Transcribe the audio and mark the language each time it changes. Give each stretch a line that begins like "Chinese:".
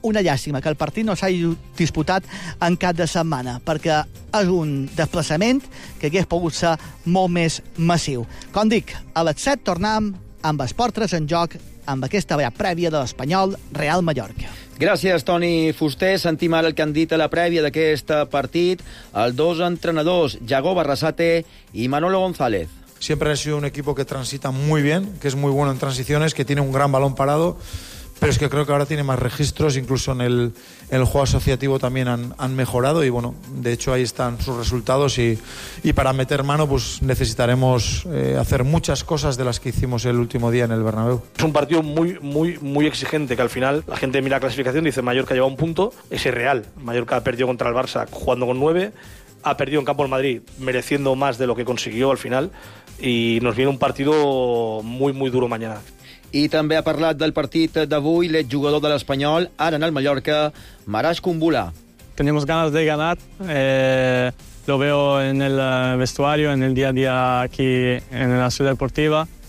Catalan: Una llàstima que el partit no s'hagi disputat en cap de setmana, perquè és un desplaçament que hagués pogut ser molt més massiu. Com dic, a les 7 tornem amb els portres en joc amb aquesta vea prèvia de l'Espanyol Real Mallorca. Gràcies, Toni Fuster. Sentim ara el que han dit a la prèvia d'aquest partit els dos entrenadors, Jagoba Arrasate i Manolo González.
Spanish: Siempre ha sido un equipo que transita muy bien, que es muy bueno en transiciones, que tiene un gran balón parado, pero es que creo que ahora tiene más registros, incluso en el juego asociativo también han mejorado y bueno, de hecho ahí están sus resultados y para meter mano pues necesitaremos hacer muchas cosas de las que hicimos el último día en el Bernabéu. Es un partido muy, muy, muy exigente, que al final la gente mira la clasificación y dice Mallorca lleva un punto, es irreal. Mallorca ha perdido contra el Barça jugando con 9, ha perdido en campo el Madrid mereciendo más de lo que consiguió al final y nos viene un partido muy, muy duro mañana.
Catalan: I també ha parlat del partit d'avui l'exjugador de l'Espanyol, ara en el Mallorca, Marash Kumbula.
Spanish: Tenemos ganas de ganar, lo veo en el vestuario, en el día a día aquí en la ciudad deportiva.